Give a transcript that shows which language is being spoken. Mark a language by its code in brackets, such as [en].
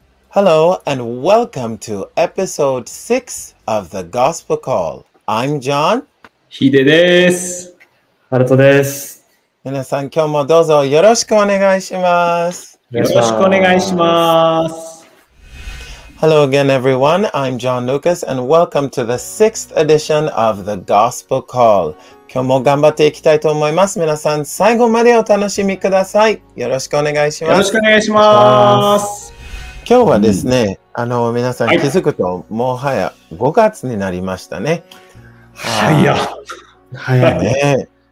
[en] Hello and welcome to episode 6 of the Gospel Call. I'm John. [ja] Hide です。ハルトです。皆さん、今日もどうぞよろしくお願いします。よろしくお願いします。 [en] Hello again, everyone. I'm John Lucas and welcome to the 6th edition of the Gospel Call. [ja] 今日も頑張っていきたいと思います。皆さん、最後までお楽しみください。よろしくお願いします。よろしくお願いします。今日はですね、皆さん気づくと、もはや5月になりましたね。早いね。